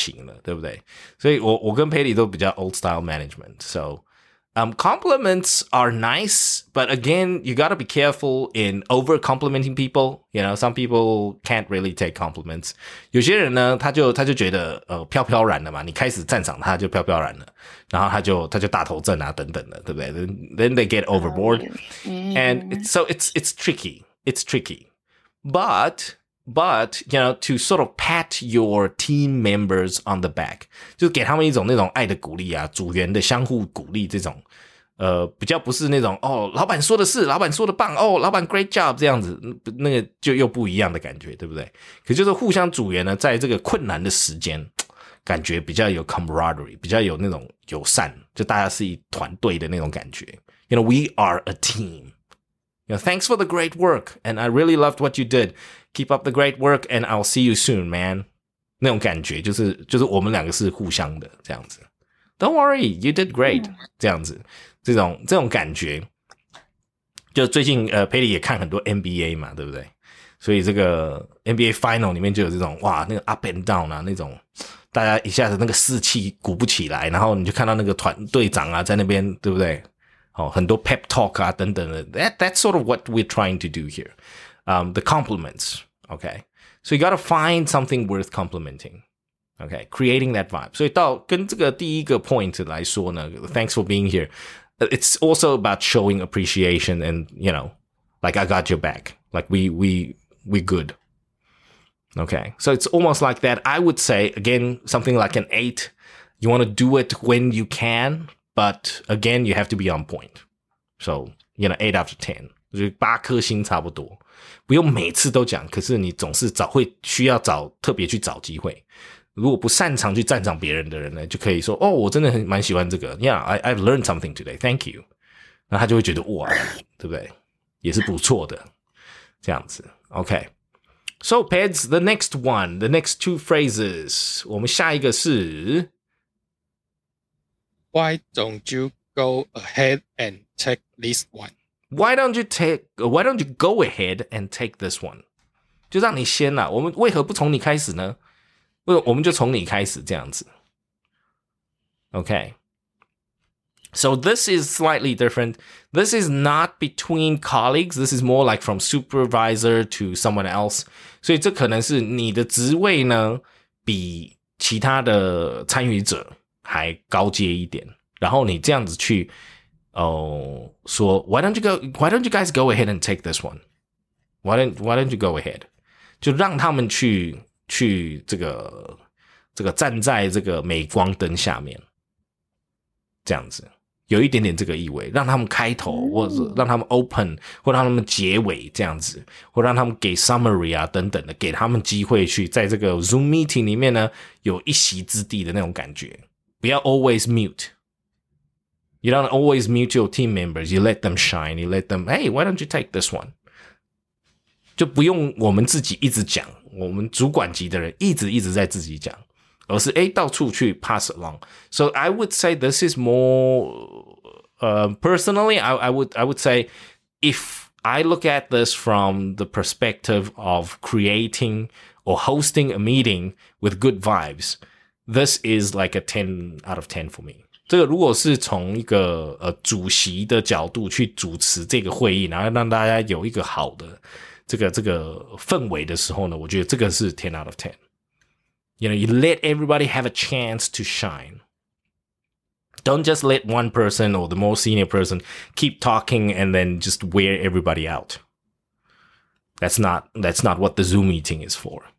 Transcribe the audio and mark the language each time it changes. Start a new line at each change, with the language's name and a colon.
Chinese: 哦，对，就变成抢救莱恩大兵的那种就不行了，对不对？所以我跟佩里都比较
English: old style management. So, compliments are nice, but again, you got to be careful in over complimenting people. You know, some people can't really take compliments.
Chinese: 有些人呢，他就觉得飘飘然了嘛，你开始赞赏他就飘飘然了，然后他就大头症啊等等的，对不对？
English: Then they get overboard, and so it's tricky. It's tricky, but But, you know, to sort of pat your team members on the back.
Chinese: 就给他们一种那种爱的鼓励啊，组员的相互鼓励这种。比较不是那种哦，老板说的是，老板说的棒哦，老板
English: great job
Chinese: 这样子，那个就又不一样的感觉，对不对？可就是互相组员呢，在这个困难的时间，感觉比较有 camaraderie， 比较有那种友善，就大家是一团队的那种感觉。
English: You know, we are a team. You know, thanks for the great work, and I really loved what you did. Keep up the great work, and I'll see you soon, man.
Chinese: 那种感觉就是我们两个是互相的这样子。
English: Don't worry, you did great.
Chinese: 这样子。这种感觉，就最近佩里也看很多 NBA 嘛，对不对？所以这个 NBA Final 里面就有这种哇，那个
English: up and down
Chinese: 啊，那种大家一下子那个士气鼓不起来，然后你就看到那个团队长啊在那边，对不对？哦，很多 pep talk 啊等等的
English: ，that's sort of what we're trying to do here. The compliments, okay? So you gotta find something worth complimenting. Okay, creating that vibe.
Chinese: 所以到跟这个第一个 point 来说呢 ,
English: thanks for being here. It's also about showing appreciation and, you know, like I got your back. Like we good. Okay, so it's almost like that. I would say, again, something like an 8. You want to do it when you can, but again, you have to be on point. So, you know, 8 out of 10.
Chinese: 就八颗星差不多。不用每次都讲，可是你总是找会需要找特别去找机会。如果不擅长去赞赏别人的人呢，就可以说哦，我真的很蛮喜欢这个。
English: Yeah, I've learned something today. Thank you.
Chinese: 那他就会觉得哇，对不对？也是不错的，这样子。Okay.
English: So, Peds, the next one, the next two phrases.
Chinese: 我们下一个是
English: Why don't you go ahead and take this one? Why don't you go ahead and take this one?
Chinese: 就让你先啦，我们为何不从你开始呢？我们就从你开始这样子 Okay.
English: So this is slightly different. This is not between colleagues. This is more like from supervisor to someone else.
Chinese: 所以这可能是你的职位呢比其他的参与者还高阶一点。然后你这样子去说
English: why don't you guys go ahead and take this one? Why don't you go ahead?
Chinese: 就让他们去这个站在这个镁光灯下面，这样子有一点点这个意味，让他们开头，或者让他们 open， 或让他们结尾这样子，或让他们给 summary 啊等等的，给他们机会去在这个 Zoom meeting 里面呢有一席之地的那种感觉。不要
English: always mute， you don't always mute your team members， you let them shine， you let them， hey， why don't you take this one？
Chinese: 就不用我们自己一直讲，我们主管级的人一直在自己讲，而是诶到处去 pass along.
English: So I would say this is more, personally, I would say if I look at this from the perspective of creating or hosting a meeting with good vibes, this is like a 10 out of 10 for me.
Chinese: 这个如果是从一个主席的角度去主持这个会议，然后让大家有一个好的这个氛围的时候呢，我觉得这个是
English: 10 out of 10。 You know, you let everybody have a chance to shine. Don't just let one person or the more senior person keep talking and then just wear everybody out. That's not what the Zoom meeting is for.